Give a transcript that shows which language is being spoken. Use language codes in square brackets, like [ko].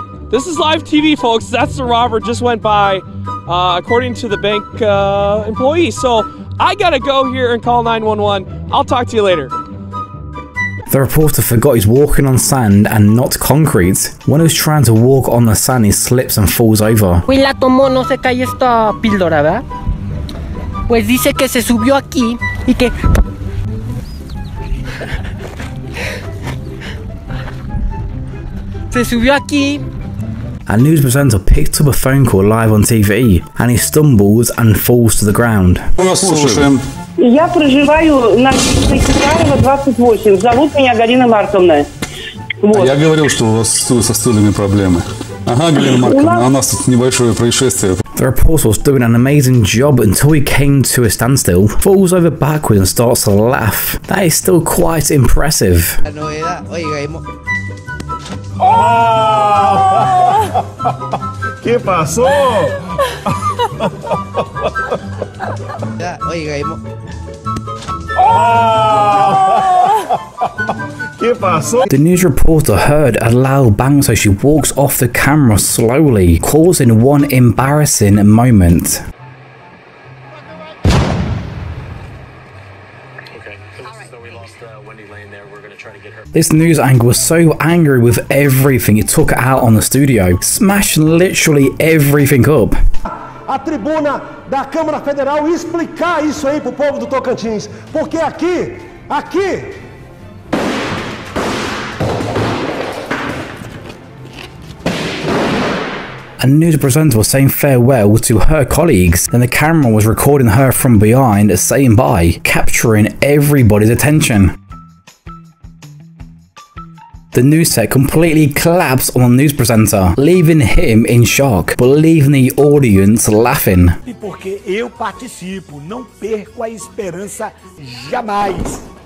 [en] This is live TV, folks. That's the robber just went by, according to the bank employee. So I gotta go here and call 911. I'll talk to you later. The reporter forgot he's walking on sand and not concrete. When he was trying to walk on the sand, he slips and falls over. [es] Pues la tomó, no se cae esta píldora, ¿verdad? Pues dice que se subió aquí y que... Se subió aquí. [en] A news presenter picked up a phone call live on TV, and he stumbles and falls to the ground. [ru] Я проживаю на Сахарова 28. Зовут меня Галина Марковна. Я говорил, что у вас со стульями проблемы. Ага, Галина Марковна, у нас тут небольшое происшествие. [en] The reporter was doing an amazing job until he came to a standstill, falls over backwards and starts to laugh. That is still quite impressive. [es] Oh! ¿Qué pasó? Oiga, ¿qué pasó? [en] The news reporter heard a loud bang, so she walks off the camera slowly, causing one embarrassing moment. This news anchor was so angry with everything, it took out on the studio, smashing literally everything up. [pt] A tribuna da Câmara Federal explicar isso aí pro povo do Tocantins, porque aqui, aqui. [en] A news presenter was saying farewell to her colleagues, and the camera was recording her from behind saying bye, capturing everybody's attention. The news set completely collapsed on the news presenter, leaving him in shock, but leaving the audience laughing. [pt] E porque eu participo, não perco a esperança jamais.